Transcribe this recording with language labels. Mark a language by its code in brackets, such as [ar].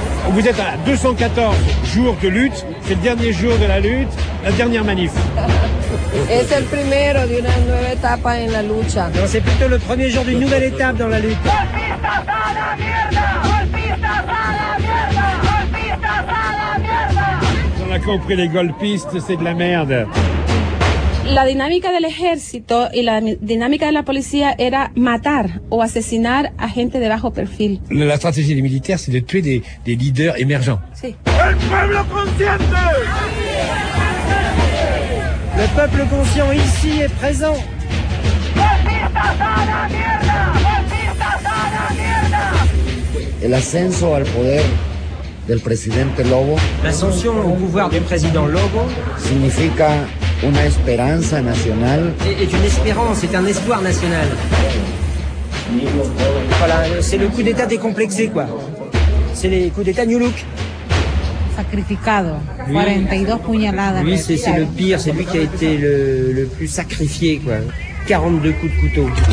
[fr] Vous êtes à 214 jours de lutte. C'est le dernier jour de la lutte, la dernière manif. [es] Es el primero de una nueva etapa en la lucha. [fr] Non, c'est plutôt le premier jour d'une nouvelle étape dans la lutte. On a compris, les golpistes, c'est de la merde. [es] La dinámica del ejército y la dinámica de la policía era matar o asesinar a gente de bajo perfil. La estrategia del militar es de [fr] tuer des [es] líderes emergentes. Sí. El pueblo consciente. [fr] Le peuple conscient ici est présent. [es] El ascenso al poder del presidente Lobo. [fr] L'ascension au pouvoir du président Lobo [es] significa una esperanza nacional. Es una esperanza, es [fr] un espoir [es] nacional. [fr] Voilà, c'est le coup d'état décomplexé, quoi. C'est le coup d'état new look. [es] Sacrificado. 42 puñaladas. [fr] Lui, c'est le pire, c'est lui qui a été le plus sacrifié, quoi. 42 coups de couteau.